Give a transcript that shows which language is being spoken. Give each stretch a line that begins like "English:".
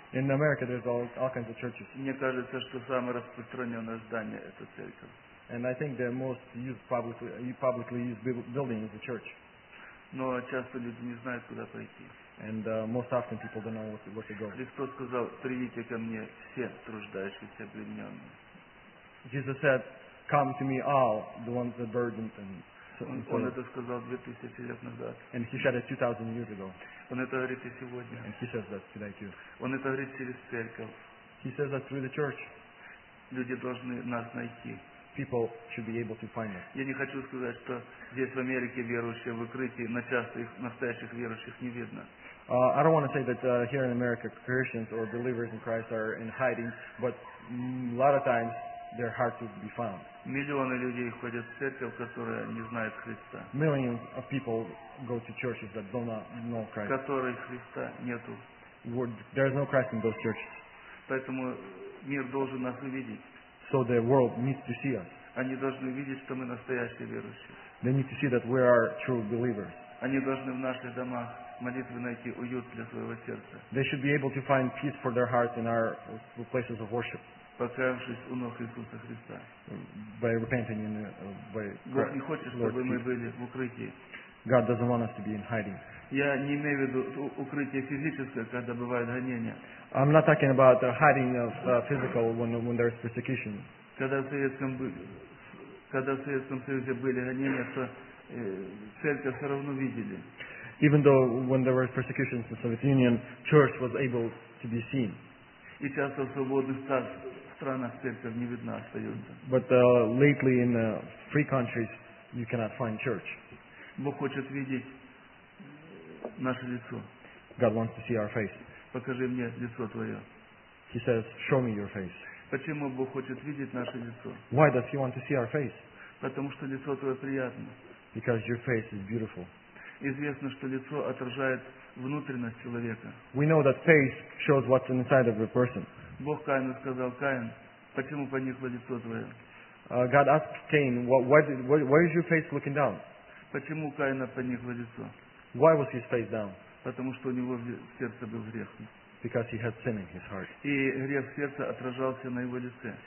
English: In America there's all kinds of churches.
Russian: Мне кажется, что самое распространенное здание это церковь.
English: And I think the most used publicly used building is the church.
Russian: Но часто люди не знают, куда пойти.
English: And most often people don't know where to go.
Russian: Христос сказал, придите ко мне все труждающиеся обремененные.
English: Jesus said, come to me all, the ones that are burdened and so on.
Russian: Он это сказал 2000 лет назад.
English: And he said it 2000 years ago.
Russian: Он это говорит и сегодня.
English: And he says that today too.
Russian: Он это говорит через церковь.
English: He says that through the church.
Russian: Люди должны нас найти.
English: People should be able to find us.
Russian: Я не хочу сказать, что здесь в Америке верующие в укрытии, но часто их настоящих верующих не видно.
English: I don't want to say that here in America Christians or believers in Christ are in hiding, but a lot of times they're hard to be found.
Russian: Миллионы людей ходят в церковь, которая не знает Христа.
English: Millions of people go to churches that do not know Christ.
Russian: Которой Христа нету.
English: There is no Christ in those churches.
Russian: Поэтому мир должен нас увидеть.
English: So the world needs to see us.
Russian: Они должны видеть, что мы настоящие верующие.
English: They need to see that we are true believers.
Russian: Они должны в наших домах молитвы найти уют для своего сердца.
English: They should be able to find peace for their hearts in our places of worship.
Russian: Покаявшись у ног Иисуса Христа.
English: By repenting in, by
Russian: Бог не хочет, чтобы мы были в укрытии.
English: God doesn't want us to be in hiding.
Russian: Я не имею в виду укрытие физическое, когда бывает гонение.
English: I'm not talking about the hiding of physical when there is persecution.
Russian: Когда в Советском Союзе были гонения, то церковь все равно видели.
English: Even though when there was persecution in the Soviet Union, church was able to be seen.
Russian: И часто в свободных странах церковь не видна остается.
English: But lately in free countries, you cannot find church.
Russian: Бог хочет видеть наше лицо.
English: God wants to see our face.
Russian: Покажи мне лицо твое.
English: He says, show me your face.
Russian: Почему Бог хочет видеть наше лицо?
English: Why does He want to see our face?
Russian: Потому что лицо твое приятно.
English: Because your face is beautiful.
Russian: Известно, что лицо отражает внутренность человека.
English: We know that face shows what's inside of a person.
Russian: Бог Каину сказал: Каин, почему поникло лицо твое?
English: God asked Cain, why is your face looking down?
Russian: Почему Каина поникло лицо?
English: Why was his face down?
Russian: Потому что у него в сердце был грех.
English: Because he had sin in his heart.
Russian: И грех в сердце отражался на его лице.